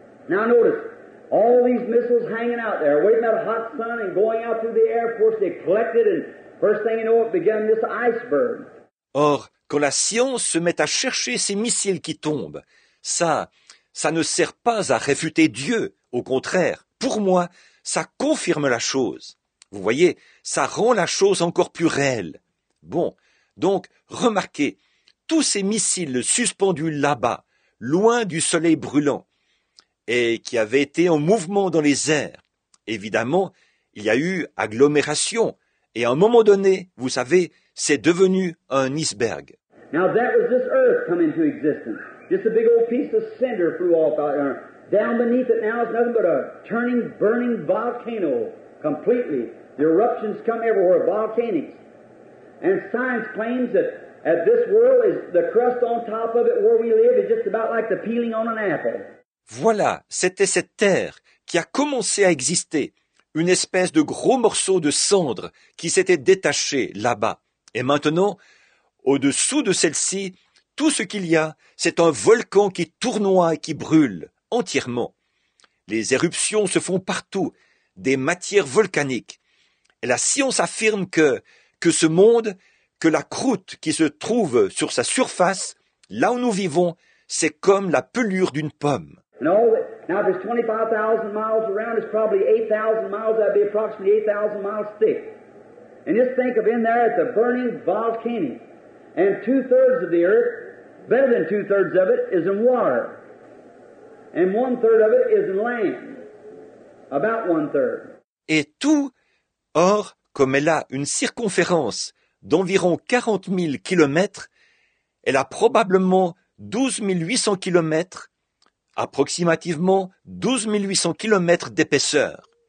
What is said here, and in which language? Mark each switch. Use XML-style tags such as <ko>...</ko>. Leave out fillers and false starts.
<en>Now notice, all these missiles hanging out there, waiting at a hot sun and going out through the Air Force, they collected and first thing you know it began this iceberg.</en> <fr>Or, quand la science se met à chercher ces missiles qui tombent, ça ne sert pas à réfuter Dieu. Au contraire, pour moi, ça confirme la chose. Vous voyez, ça rend la chose encore plus réelle. Bon, donc, remarquez, tous ces missiles suspendus là-bas, loin du soleil brûlant, et qui avaient été en mouvement dans les airs. Évidemment, il y a eu agglomération, et à un moment donné, vous savez, c'est devenu un iceberg.</fr> <en>Now that was this earth come into existence. Just a big old piece of cinder flew off out there. Down beneath it now is nothing but a turning, burning volcano completely. The eruptions come everywhere, volcanics. And science claims that at this world is the crust on top of it where we live is just about like the peeling on an apple.</en> <fr>Voilà, c'était cette terre qui a commencé à exister, une espèce de gros morceau de cendre qui s'était détaché là-bas. Et maintenant, au-dessous de celle-ci, tout ce qu'il y a, c'est un volcan qui tournoie et qui brûle entièrement. Les éruptions se font partout, des matières volcaniques. Et la science affirme que ce monde, que la croûte qui se trouve sur sa surface, là où nous vivons, c'est comme la pelure d'une pomme.</fr> <en>Now, if there's 25,000 miles around, it's probably 8,000 miles. That'd be approximately 8,000 miles thick. And just think of in there, it's a burning volcano. And two-thirds of the earth, better than two-thirds of it, is in water. And one-third of it is in land. About one-third.</en> <fr>Et tout, or, comme elle a une circonférence d'environ 40 000 kilomètres, elle a probablement 12 800 kilomètres, approximativement 12 800 kilomètres d'épaisseur.</fr>